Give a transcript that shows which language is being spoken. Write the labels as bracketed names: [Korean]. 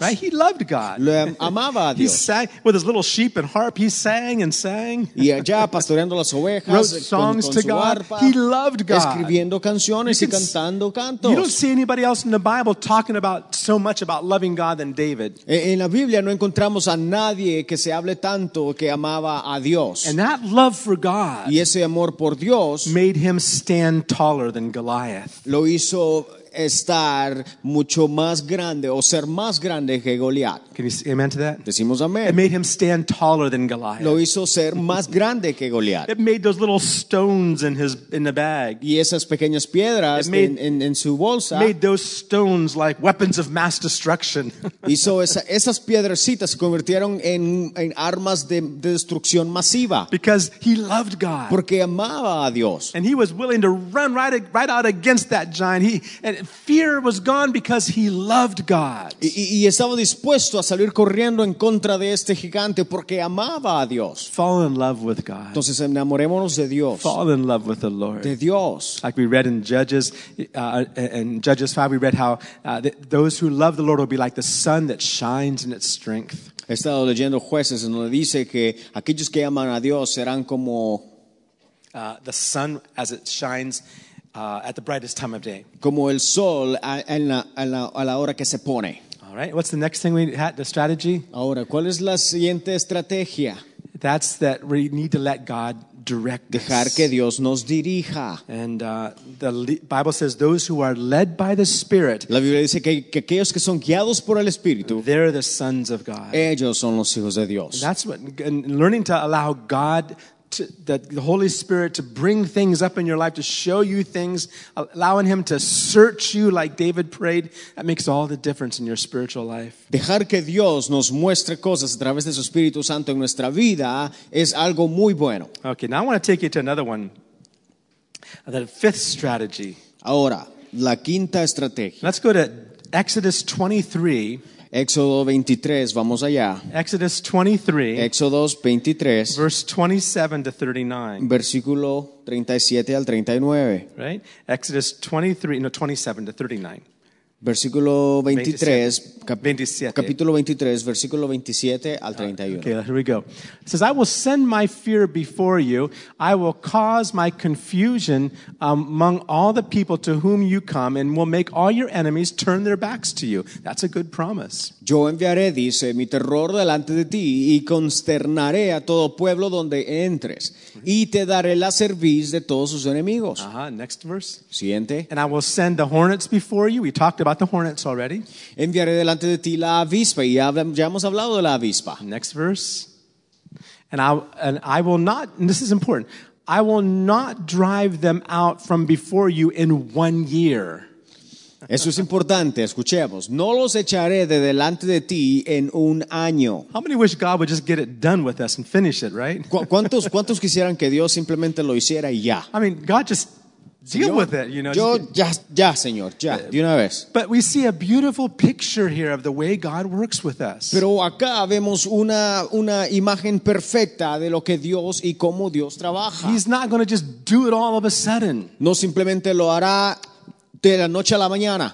[English] Right? He loved God. [Spanish] Le amaba a Dios. [English] He sang with his little sheep and harp. He sang and sang. [Spanish] Y allá pastoreando las ovejas. [English] Wrote songs to God. He loved God. [Spanish] Escribiendo canciones y cantando cantos. [English] You don't see anybody else in the Bible talking about so much about loving God than David. [Spanish] En la Biblia no encontramos a nadie que se hable tanto que amaba a Dios. [English] And that love for God. [Spanish] Y ese amor por Dios [English] made him stand taller than Goliath. [Spanish] Lo hizo estar mucho más grande o ser más grande que Goliat. [English] Can you say amen to that? [Spanish] Decimos amén. [English] It made him stand taller than Goliath. [Spanish] Lo hizo ser más grande que Goliat. [English] It made those little stones in the bag. [Spanish] Y esas pequeñas piedras en su bolsa. [English] Made those stones like weapons of mass destruction. [Spanish] Hizo esas piedrecitas se convirtieron en armas de destrucción masiva. [English] Because he loved God. [Spanish] Porque amaba a Dios. [English] And he was willing to run right out against that giant. And fear was gone because he loved God. [Spanish] Y estaba dispuesto a salir corriendo en contra de este gigante porque amaba a Dios. [English] Fall in love with God. [Spanish] Entonces enamorémonos de Dios. [English] Fall in love with the Lord. [Spanish] De Dios. [English] Like we read in Judges, in Judges 5, we read how those who love the Lord will be like the sun that shines in its strength. [Spanish] He estado leyendo Jueces en donde dice que aquellos que aman a Dios serán como [English] the sun as it shines. At the brightest time of day. [Spanish] Como el sol a la hora que se pone. [English] All right. What's the next thing we had? The strategy. [Spanish] Ahora, ¿cuál es la siguiente estrategia? [English] That's that we need to let God direct us. [Spanish] Dejar que Dios nos dirija. [English] And the Bible says those who are led by the Spirit. [Spanish] La Biblia dice que aquellos que son guiados por el Espíritu. [English] They're the sons of God. [Spanish] Ellos son los hijos de Dios. [English] That's what learning to allow God. That the Holy Spirit to bring things up in your life, to show you things, allowing Him to search you like David prayed, that makes all the difference in your spiritual life. [Spanish] Dejar que Dios nos muestre cosas a través de su Espíritu Santo en nuestra vida es algo muy bueno. [English] Okay, now I want to take you to another one. The fifth strategy. [Spanish] Ahora, la quinta estrategia. [English] Let's go to Exodus 23. [Spanish] Éxodo 23, vamos allá. [English] Exodus 23. [Spanish] Éxodo 23. [English] Verse 27 to 39. [Spanish] Versículo 37 al 39. [English] Right? Exodus 23, no, 27 to 39. [Spanish] Versículo 23, capítulo 23, versículo 27 al 31. [English] Okay, here we go. It says, I will send my fear before you. I will cause my confusion among all the people to whom you come and will make all your enemies turn their backs to you. That's a good promise. [Spanish] Yo enviaré, dice, mi terror delante de ti y consternaré a todo pueblo donde entres y te daré la cerviz de todos sus enemigos. [English] Uh-huh, next verse. [Spanish] Siguiente. [English] And I will send the hornets before you. We talked about the hornets already. [Spanish] Enviaré delante de ti la avispa y ya hemos hablado de la avispa. [English] Next verse. And I will not, and this is important, I will not drive them out from before you in 1 year. [Spanish] Eso es importante, escuchemos. No los echaré de delante de ti en un año. [English] How many wish God would just get it done with us and finish it, right? [Spanish] ¿Cuántos quisieran que Dios simplemente lo hiciera y ya? [English] I mean, God just Deal with it, you know. [Spanish] Yo, ya, señor, ya, de una vez. [English] But we see a beautiful picture here of the way God works with us. [Spanish] Pero acá vemos una imagen perfecta de lo que Dios y cómo Dios trabaja. [English] He's not going to just do it all of a sudden. [Spanish] No simplemente lo hará de la noche a la mañana.